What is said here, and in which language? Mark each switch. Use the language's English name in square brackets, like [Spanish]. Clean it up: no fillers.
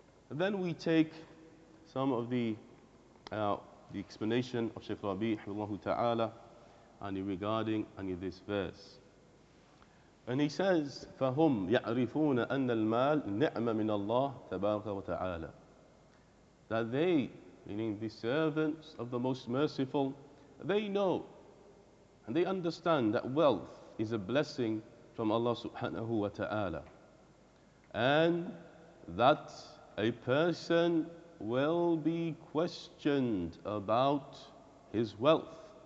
[English] Then we take some of the explanation of Shaykh Rabi' Allah Ta'ala regarding this verse. And he says, [Arabic] فَهُمْ يَعْرِفُونَ أَنَّ الْمَالِ نِعْمَ مِنَ اللَّهِ تَبَارَكَ وَتَعَالَى. [English] That they, meaning the servants of the Most Merciful, they know and they understand that wealth is a blessing from Allah subhanahu wa ta'ala. And that a person will be questioned about his wealth.